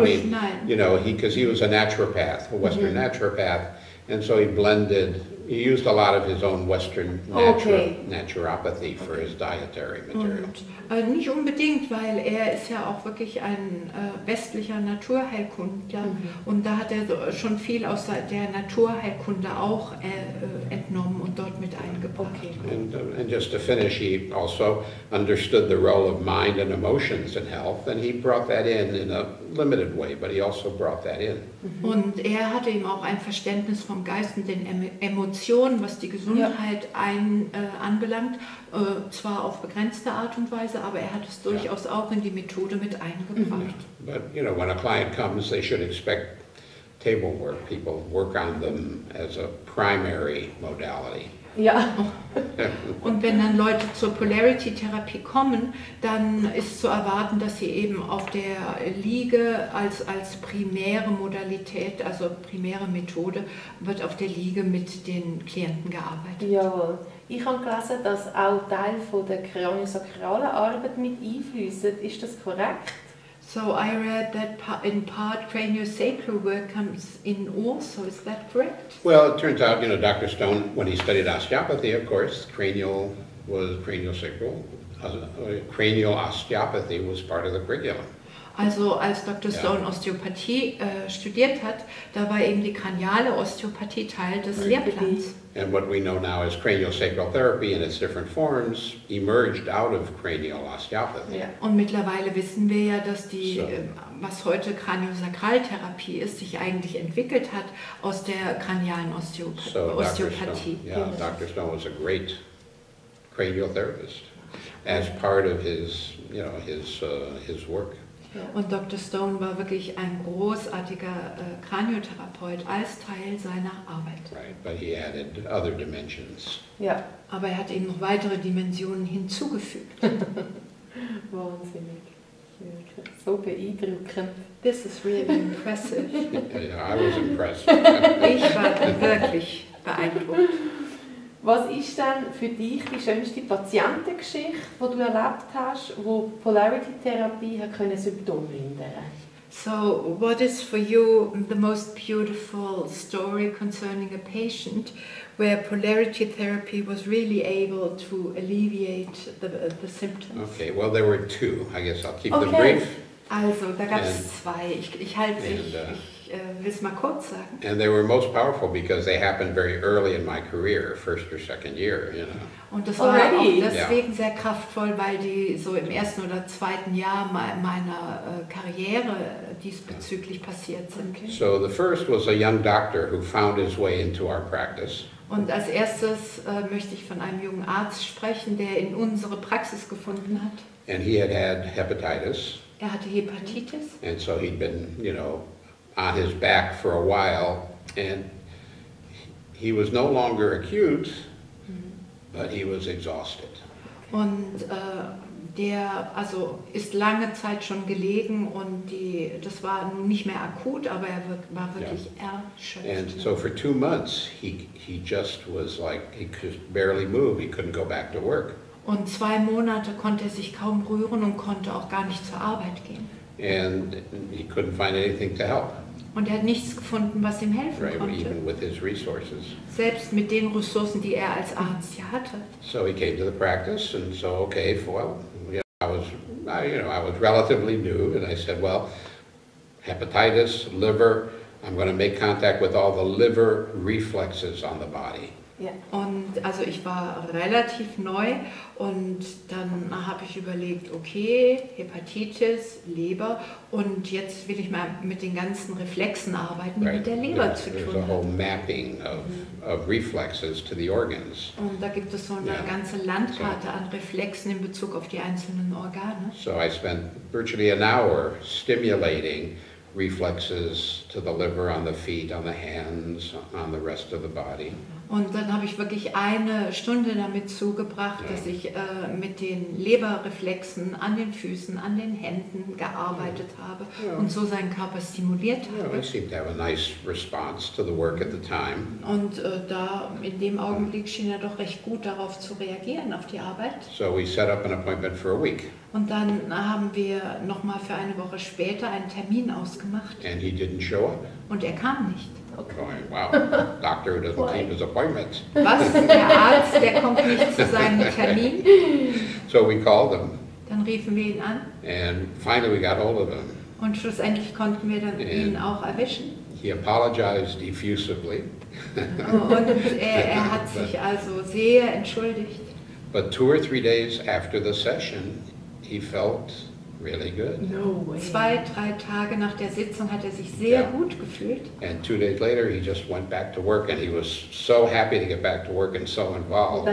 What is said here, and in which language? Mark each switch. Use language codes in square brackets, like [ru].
[en] I mean, you know, because he was a naturopath, a Western naturopath, and so he blended, he used a lot of his own Western naturopathy for his dietary material. [de] Und, nicht unbedingt, weil er ist ja auch wirklich ein westlicher Naturheilkundler. Und da hat er schon viel aus der Naturheilkunde auch entnommen und dort mit eingebracht. Okay. [en] And just to finish, he also understood the role of mind and emotions in health, and he brought that in a limited way, but he also brought that in. [de] Und er hatte eben auch ein Verständnis vom Geist und den Emotionen, was die Gesundheit anbelangt, zwar auf begrenzte Art und Weise, aber er hat es durchaus auch in die Methode mit eingebracht. [en] But you know, when a client comes, they should expect table work. People work on them as a primary modality. [de] Ja. Und wenn dann Leute zur Polarity-Therapie kommen, dann ist zu erwarten, dass sie eben auf der Liege als primäre Modalität, also primäre Methode, wird auf der Liege mit den Klienten gearbeitet. Jawohl. Ich habe gelesen, dass auch Teil von der kraniosakralen Arbeit mit einfließt. Ist das korrekt? [en] So I read that in part craniosacral work comes in also, is that correct? Well, it turns out, you know, Dr. Stone, when he studied osteopathy, of course, cranial osteopathy was part of the curriculum. [de] Also als Dr. Stone Osteopathie studiert hat, da war eben die kraniale Osteopathie Teil des Lehrplans. [en] And what we know now is craniosacral therapy in its different forms emerged out of cranial osteopathy. Yeah. [de] Und mittlerweile wissen wir ja, dass die, was heute Kraniosakraltherapie ist, sich eigentlich entwickelt hat aus der kranialen Osteopathie. [en] Stone, Dr. Stone was a great cranial therapist as part of his, you know, his work. [de] Und Dr. Stone war wirklich ein großartiger Kraniotherapeut als Teil seiner Arbeit. [en] Right, but he added other dimensions. [de] Ja, aber er hat eben noch weitere Dimensionen hinzugefügt. Wahnsinnig. So beeindruckend. [en] This is really impressive. Yeah, I was impressed. [de] Ich war wirklich beeindruckt. Was ist denn für dich die schönste Patientengeschichte, die du erlebt hast, wo Polarity Therapie hat können Symptome lindern? [en] So, what is for you the most beautiful story concerning a patient where Polarity Therapy was really able to alleviate the symptoms? Okay, well there were two. I guess I'll keep them brief. [de] Also, da gab es zwei. Ich will es mal kurz sagen. [en] And they were most powerful because they happened very early in my career, first or second year, you know. [de] Und das war auch deswegen sehr kraftvoll, weil die so im ersten oder zweiten Jahr meiner Karriere diesbezüglich passiert sind. Okay. [en] So the first was a young doctor who found his way into our practice. [de] Und als erstes möchte ich von einem jungen Arzt sprechen, der in unsere Praxis gefunden hat. [en] And he had had hepatitis. [de] Er hatte Hepatitis. [en] And so he'd been, you know, on his back for a while, and he was no longer acute, but he was exhausted. [de] Und der also ist lange Zeit schon gelegen und das war nicht mehr akut, aber er war wirklich erschöpft. [en] And so for 2 months he just was like he could barely move, he couldn't go back to work. [de] Und 2 Monate konnte er sich kaum rühren und konnte auch gar nicht zur Arbeit gehen. [en] And he couldn't find anything to help. [de] Und er hat nichts gefunden, was ihm helfen [en] right, [de] konnte. [en] Even with his resources. [de] Selbst mit den Ressourcen, die er als Arzt ja hatte. [en] So he came to the practice and so okay, well, you know, I was relatively new and I said, well, hepatitis, liver, I'm going to make contact with all the liver reflexes on the body. [de] Ja, und also ich war relativ neu und dann habe ich überlegt, okay, Hepatitis, Leber und jetzt will ich mal mit den ganzen Reflexen arbeiten, die [en] right. [de] mit der Leber zu tun haben. [en] There's a whole mapping of reflexes to the organs. [de] Und da gibt es so eine ganze Landkarte an Reflexen in Bezug auf die einzelnen Organe. [en] So I spent virtually an hour stimulating reflexes to the liver, on the feet, on the hands, on the rest of the body. [de] Und dann habe ich wirklich eine Stunde damit zugebracht, dass ich mit den Leberreflexen an den Füßen, an den Händen gearbeitet habe und so seinen Körper stimuliert habe. [en] Yeah, I seemed to have a nice response to the work at the time. [de] Und da in dem Augenblick schien er doch recht gut darauf zu reagieren, auf die Arbeit. [en] So we set up an appointment for a week. [de] Und dann haben wir nochmal für eine Woche später einen Termin ausgemacht. [en] And he didn't show up. [de] Und er kam nicht. [en] Going, wow, doctor who doesn't keep his appointments. [de] Was? Der Arzt, der kommt nicht zu seinem Termin? [en] So we called him. [de] Dann riefen wir ihn an. [en] And finally we got hold of him. [de] Und schlussendlich konnten wir dann ihn auch erwischen. [en] He apologized effusively. [de] Und er hat sich also sehr entschuldigt. [en] But 2 or 3 days after the session, he felt really good. No way. [de] 2, 3 Tage nach der Sitzung hat er sich sehr gut gefühlt. [en] And 2 days later he just went back to work and he was so happy to get back to work and so involved.